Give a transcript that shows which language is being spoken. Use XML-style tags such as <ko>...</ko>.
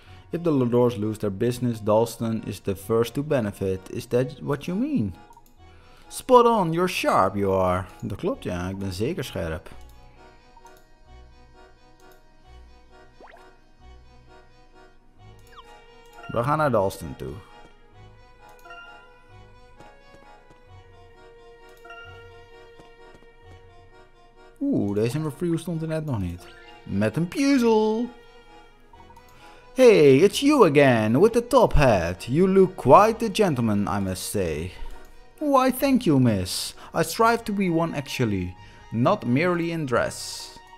<en>If the Lodors lose their business, Dalston is the first to benefit. Is that what you mean? Spot on, you're sharp, you are.</en> <nl>Dat klopt, ja, ik ben zeker scherp. We gaan naar Dalston toe. Oeh, deze review stond er net nog niet. Met een puzzel!</nl> <en>Hey, it's you again, with the top hat. You look quite the gentleman, I must say. Why, thank you, miss. I strive to be one, actually. Not merely in dress.</en>